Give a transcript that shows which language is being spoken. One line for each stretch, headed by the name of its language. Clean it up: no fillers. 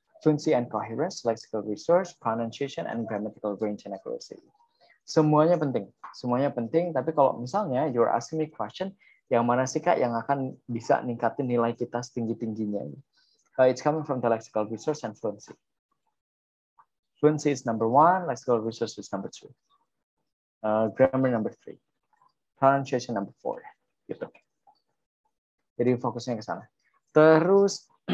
English: Fluency and coherence, lexical resource, pronunciation, and grammatical range and accuracy.
Indonesian: Semuanya penting, tapi kalau misalnya
English: you're asking me question,
Indonesian: yang mana sih Kak yang akan bisa ningkatin nilai kita setinggi-tingginya?
English: It's coming from the lexical resource and fluency. Fluency is number one, lexical resource is number two. Grammar number three. Pronunciation number four.
Indonesian: Gitu. Jadi fokusnya ke sana. Terus